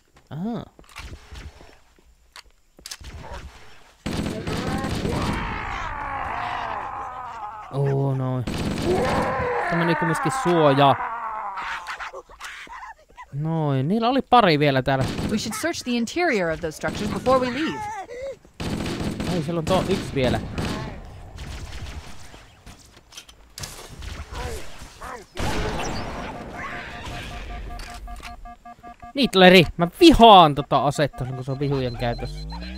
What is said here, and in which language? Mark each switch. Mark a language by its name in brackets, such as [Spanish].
[Finnish] Aha. Oo noin. Tämä niinku myöskin suoja. Noin, niillä oli pari vielä täällä. [English] We should search the interior of those structures before we leave. [Finnish] Ai, siellä on tuo yksi vielä. Nitleri, mä vihaan tota asetta, kun se on vihujen käytössä.